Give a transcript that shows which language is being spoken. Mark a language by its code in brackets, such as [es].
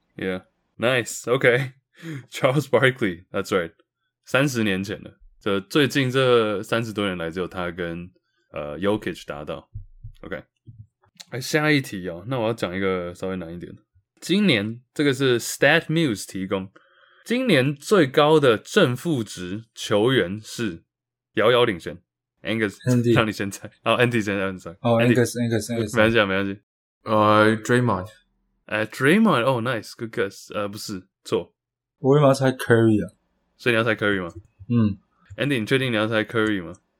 [en] Yeah, nice, okay, Charles Barkley, that's right, [zh] 30年前了，这最近这30多年来只有他跟Jokic 达到 ，OK， 下一题哦，那我要讲一个稍微难一点的。今年这个是 StatMuse 提供，今年最高的正负值球员是遥遥领先 ，Angus， Andy. 让你先猜，哦、Andy 先让你猜，哦、oh, ，Angus，没关系、啊，没关系， Draymond， [en] Draymond， oh nice， good guess， [zh] 不是，错，我为什么要猜 Curry 啊？所以你要猜 Curry 吗？嗯，Andy， 你确定你要猜 Curry 吗